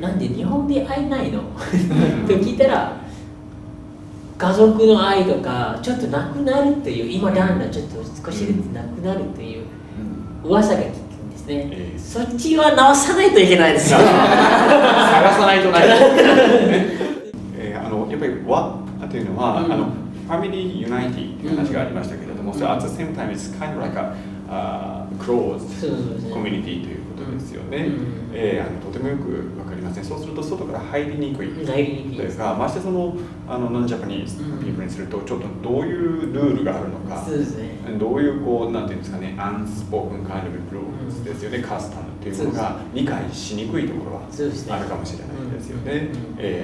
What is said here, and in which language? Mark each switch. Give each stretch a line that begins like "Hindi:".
Japanese: なんで日本で愛ないのと聞いたら、家族の愛とか、ちょっとなくなるという、今だんだんちょっと少しずつなくなるという噂が聞いて、ね、そっちは直さないといけないですよ。探さないとないと、ね、あのやっぱり和というのは、うん、あのファミリーユナイティという話がありましたけれども、それ、う
English: ん、at the same time it's kind of like a closed community、
Japanese: ね、ということですよね、うん、あのとてもよく分かりません、ね、そうすると外から入りにくいというか、ましてそのあのノンジャパニーズのピープルにするとちょっとどういうルールがあるのか、うん、どういうこうなんていうんですかね、アンスポークンカインドルールですよね、カスタムというものが理解しにくいところはあるかもしれないですよね、